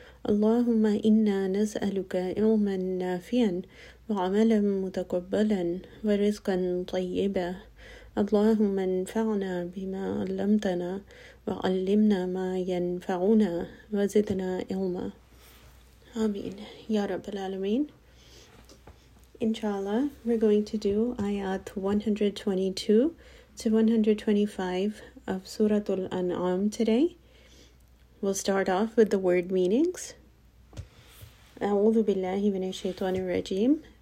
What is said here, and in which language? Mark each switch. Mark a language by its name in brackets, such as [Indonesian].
[Arabic] اللهم إنا نسألك علما نافعا وعملا متقبلا ورزقا طيبا. اللهم انفعنا بما علمتنا وعلمنا ما ينفعنا وزدنا علما. آمين يا رب العالمين. [English] Inshallah, we're going to do ayat 122 to 125 of Surah Al-An'am today. We'll start off with the word meanings. [Arabic] أعوذ بالله من الشيطان الرجيم.